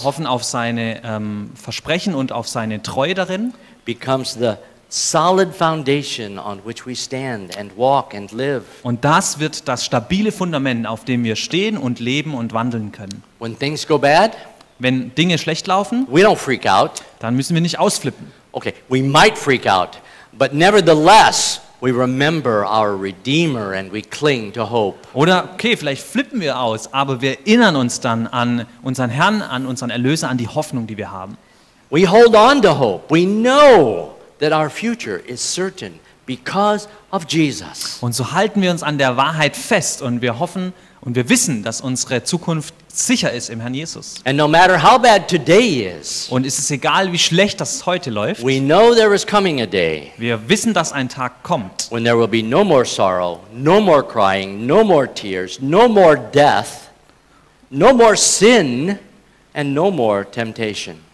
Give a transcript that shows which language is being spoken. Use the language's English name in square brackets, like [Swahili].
[German] Wir hoffen auf seine Versprechen und auf seine Treue darin. [English] Becomes the solid foundation on which we stand and walk and live. [German] Und das wird das stabile Fundament, auf dem wir stehen und leben und wandeln können. [English] When things go bad, [German] wenn Dinge schlecht laufen, [English] we don't freak out. [German] Dann müssen wir nicht ausflippen. [English] Okay, we might freak out, but nevertheless, we remember our Redeemer and we cling to hope. [German] Oder okay, vielleicht flippen wir aus, aber wir erinnern uns dann an unseren Herrn, an unseren Erlöser, an die Hoffnung, die wir haben. [English] We hold on to hope. We know that our future is certain because of Jesus. [German] Und so halten wir uns an der Wahrheit fest und wir hoffen und wir wissen, dass unsere Zukunft sicher ist im Herrn Jesus. [English] And no matter how bad today is, [German] und ist es egal, wie schlecht das heute läuft, [English] we know there is coming a day, [German] wir wissen, dass ein Tag kommt, [English] when there will be no more sorrow, no more crying, no more tears, no more death, no more sin and no more temptation.